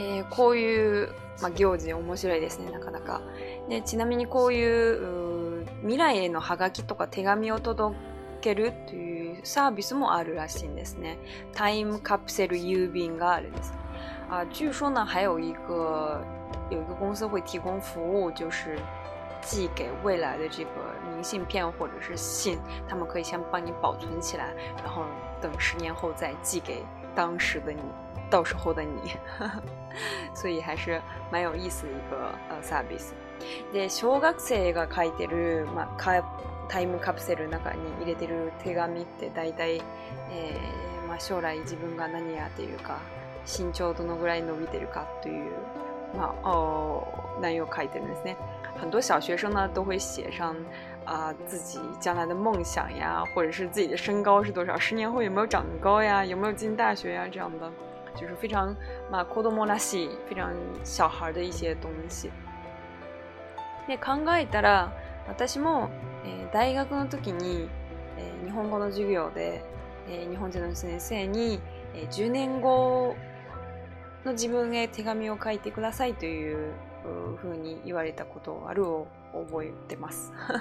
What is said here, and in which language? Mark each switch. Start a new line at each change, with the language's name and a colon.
Japanese: こういう、まあ、行事面白いですね、なかなか。でちなみにこういう未来へのハガキとか手紙を届けるというサービスもあるらしいんですね。タイムカプセル郵便があるんです。
Chinese: 据说呢，还有一个公司会提供服务，就是寄给未来的这个明信片或者是信，他们可以先帮你保存起来，然后等十年后再寄给当时的你。到时候的你所以还是蛮有意思的一个サービス。
Japanese: で、小学生が書いてる、まあ、タイムカプセルの中に入れてる手紙って大体、まあ、将来自分が何やっていうか身長どのぐらい伸びてるかという、まあ、内容を書いてるんですね。
Chinese: 很多小学生呢都会写上自己将来的梦想呀，或者是自己的身高是多少，十年后有没有长高呀，有没有进大学呀，这样的就是非常
Japanese: まあ子供らしい
Chinese: 非常小孩的一些东西。
Japanese: で考えたら私も、大学の時に、日本語の授業で、日本人の先生に、10年後の自分へ手紙を書いてくださいというふうに言われたことあるを覚えてます。